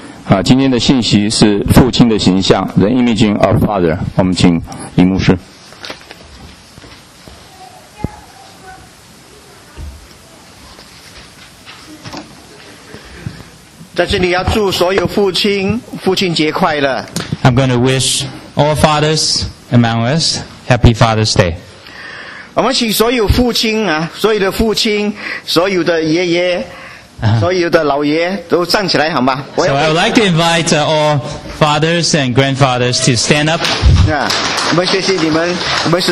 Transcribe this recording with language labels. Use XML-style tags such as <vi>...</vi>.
<zh>啊，今天的信息是父亲的形象 ，</zh> <en>The Image of Father。</en> <zh>我们请李牧师。在这里要祝所有父亲父亲节快乐。</zh> <en>I'm going to wish all fathers among us Happy Father's Day。</en> <zh>我们请所有父亲啊，所有的父亲，所有的爷爷，所有的老爷都站起来，好吗</zh> <en>？So I would like to invite all fathers and grandfathers to stand up。</en> <zh>啊，我们谢谢你们，我们是。</zh>